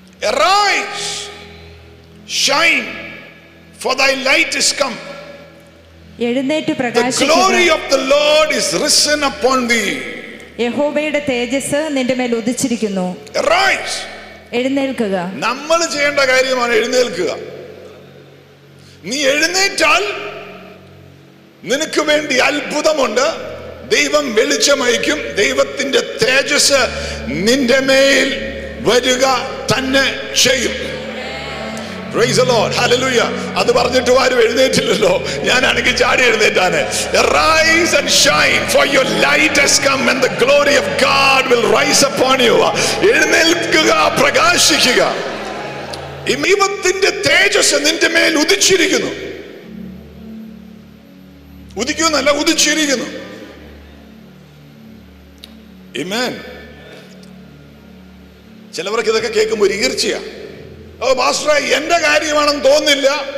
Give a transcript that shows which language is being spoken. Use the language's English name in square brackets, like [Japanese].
[English] Arise, shine, for thy light is come. [Malayalam] എഴുന്നേറ്റ് പ്രകാശിക്കുക. [English] The glory of the Lord is risen upon thee. [Malayalam] യഹോവയുടെ തേജസ് നിന്റെ മേൽ ഉദിച്ചിരിക്കുന്നു. [English] Arise. [Malayalam] എഴുന്നേൽക്കുക. നമ്മൾ ചെയ്യേണ്ട കാര്യമാണ് എഴുന്നേൽക്കുക. നീ എഴുന്നേറ്റാൽ നിനക്ക് വേണ്ടി അത്ഭുതമുണ്ട്. ദൈവം വെളിച്ചമയക്കും. ദൈവത്തിന്റെ തേജസ് നിന്റെ മേൽ വരുക തന്നെ ചെയ്യും. [English] Praise the Lord. [Malayalam] ഹല്ലേലൂയ. അത് പറഞ്ഞിട്ട് ആരും എഴുന്നേറ്റില്ലല്ലോ. ഞാനാണെങ്കിൽ ചാടി എഴുന്നേറ്റാണ്. [English] Arise and shine, for your light has come and the glory of God will rise upon you. [Malayalam] എഴുന്നേൽക്കുക, പ്രകാശിക്കുക. ദൈവത്തിന്റെ തേജസ് നിന്റെ മേൽ ഉദിച്ചിരിക്കുന്നു. ഉദിക്കുന്നല്ല, ഉദിച്ചിരിക്കുന്നു. ആമേൻ. ചിലവർക്ക് ഇതൊക്കെ കേൾക്കുമ്പോൾ ഒരു ഈർച്ചയാണ്. ഓ മാസ്റ്റർ, എന്റെ കാര്യമാണെന്ന് തോന്നില്ല.